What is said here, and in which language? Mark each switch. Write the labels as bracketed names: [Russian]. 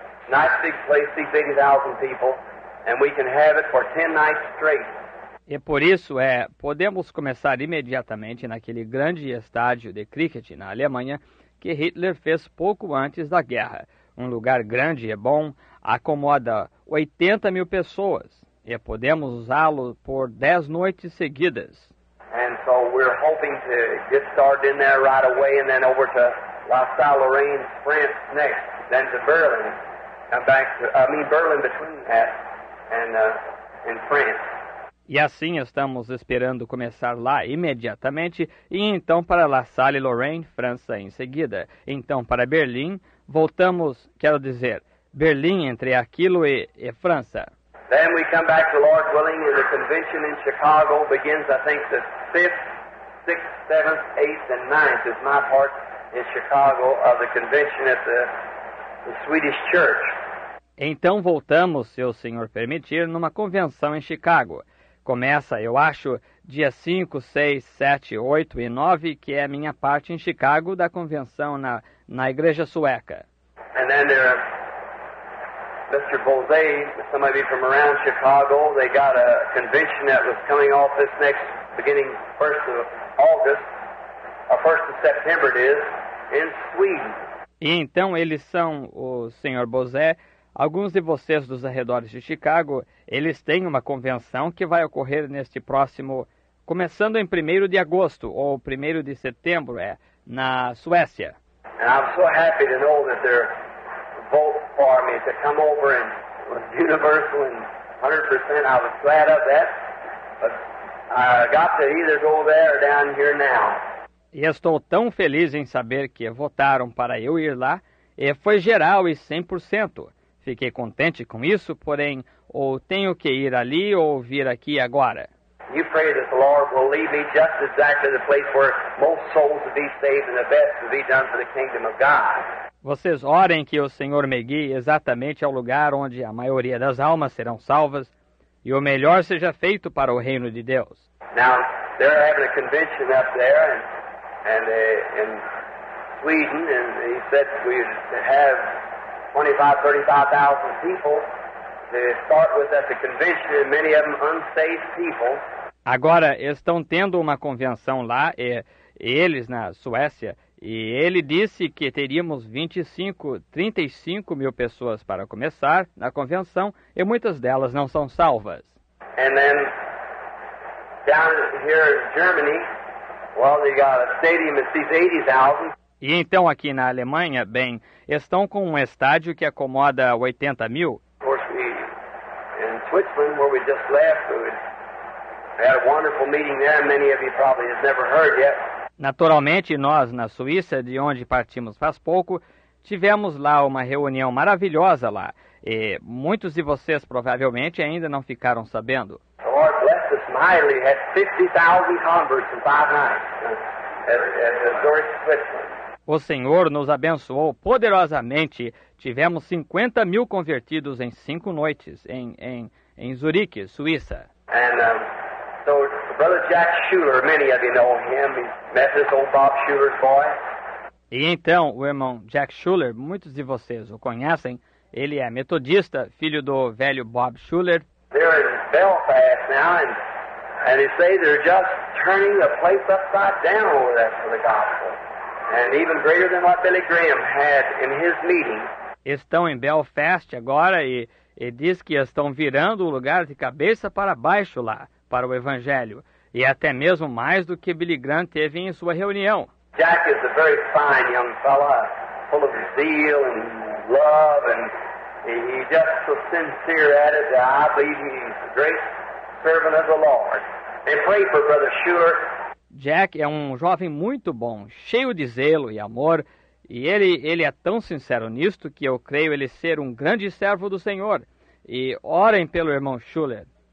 [English] Nice big place, see big 1,000 people, and we can have it for 10 nights straight. [Portuguese] E por isso é, podemos começar imediatamente naquele grande estádio de cricket na Alemanha que Hitler fez pouco antes da guerra. Um lugar grande e bom, acomoda 80 mil pessoas, e podemos usá-lo por 10 noites seguidas. [English] And so we're hoping to get started in there right away and then over to La Salle-Lorraine, France next, then to Berlin, come back to, Berlin between that and in France. [Portuguese] E assim estamos esperando começar lá imediatamente e então para La Salle-Lorraine, França em seguida. Então para Berlim, voltamos, quero dizer, Berlim entre aquilo e França. [English] Then we come back to Lord willing and the convention in Chicago begins, I think, the 5th, 6th, 7th, 8th and 9th is my part in Chicago of the convention at the Swedish church. [Portuguese] Então voltamos, se o senhor permitir, numa convenção em Chicago. Começa, eu acho, dia 5, 6, 7, 8 e 9, que é a minha parte em Chicago da convenção na igreja sueca. [English] And then there are Mr. Bose, some of you from around Chicago, they got a convention that was coming off this next, beginning 1st of August, or 1st of September it is, in Sweden. [Portuguese] E então eles são, o senhor Bose, alguns de vocês dos arredores de Chicago, eles têm uma convenção que vai ocorrer neste próximo, começando em 1º de agosto, ou 1º de setembro, na Suécia. [English] And I'm so happy to know that they're vote for me to come over and was universal and 100%. I was glad of that, but I got to either go there or down here now. [Portuguese] E estou tão feliz em saber que votaram para eu ir lá, e foi geral e 100%. Fiquei contente com isso, porém, ou tenho que ir ali ou vir aqui agora. [English] You pray that the Lord will lead me just exactly the place where most souls to be saved and the best to be done for the kingdom of God. [Portuguese] Vocês orem que o Senhor me guie exatamente ao lugar onde a maioria das almas serão salvas e o melhor seja feito para o reino de Deus. [English] Now, they're having a convention up there in Sweden, and he said we have 25,000, 35,000 people. to start with at the convention, many of them unsaved people. [Portuguese] Agora estão tendo uma convenção lá, eles na Suécia, e ele disse que teríamos 25, 35 mil pessoas para começar na convenção, e muitas delas não são salvas. [English] And then down here in Germany, well, they got a stadium that seats 80,000. [Portuguese] E então aqui na Alemanha, bem, estão com um estádio que acomoda 80 mil. [English] Of course, we, in Switzerland, where we just left, we had a wonderful meeting there. Many of you probably have never heard yet. [Portuguese] Naturalmente, nós na Suíça, de onde partimos faz pouco, tivemos lá uma reunião maravilhosa lá. E muitos de vocês provavelmente ainda não ficaram sabendo. [English] The Lord blessed us mightily, had 50,000 converts in 5 nights at the Zurich, Switzerland. [Portuguese] O Senhor nos abençoou poderosamente. Tivemos 50 mil convertidos em 5 noites em Zurique, Suíça. [English] And, so Brother Jack Schuler, many of you know him. He's Methodist, old Bob Schuler's boy. [Portuguese] E então, o irmão Jack Schuler, muitos de vocês o conhecem. Ele é metodista, filho do velho Bob Schuler. [English] They're in Belfast now, and they say they're just turning the place upside down over there for the gospel. And even greater than what Billy Graham had in his meeting. [Portuguese] Estão em Belfast agora e diz que estão virando o lugar de cabeça para baixo lá, para o evangelho. E até mesmo mais do que Billy Graham teve em sua reunião. [English] Jack is a very fine young fella, full of zeal and love, and he just so sincere at it that I believe he's a great servant of the Lord. And pray for Brother Schuler. [Portuguese] Jack é um jovem muito bom, cheio de zelo e amor, e ele é tão sincero nisto que eu creio ele ser um grande servo do Senhor. E orem pelo irmão Schuler.